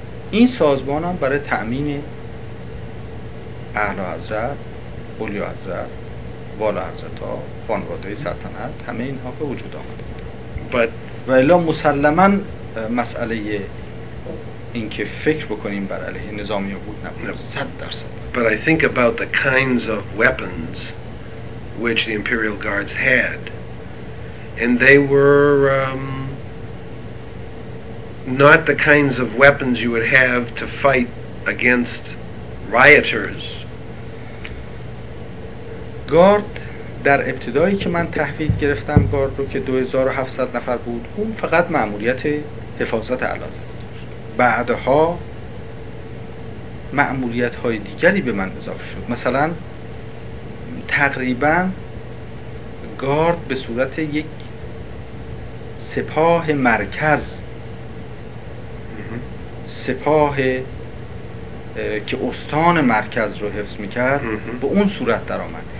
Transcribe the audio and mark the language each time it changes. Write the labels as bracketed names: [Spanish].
[Persian] این سازمان هم برای تأمین اعلی حضرت، اولیا حضرت، والا حضرت ها، خانواده سلطنت، همه اینها به وجود آمده. و الا مسلماً مسئله این که فکر بکنیم بر علیه نظامی ها بود نبود. 100%. [English] But I think about the kinds of weapons which the Imperial Guards had. And they were not the kinds of weapons you would have to fight against rioters. [Persian] گارد در ابتدایی که من تحویل گرفتم گارد رو که 2700 نفر بود اون فقط مأموریت حفاظت علازد. بعدها مأموریت های دیگری به من اضافه شد. مثلا تقریبا گارد به صورت یک سپاه مرکز سپاه که استان مرکز رو حفظ میکرد به اون صورت در آمد.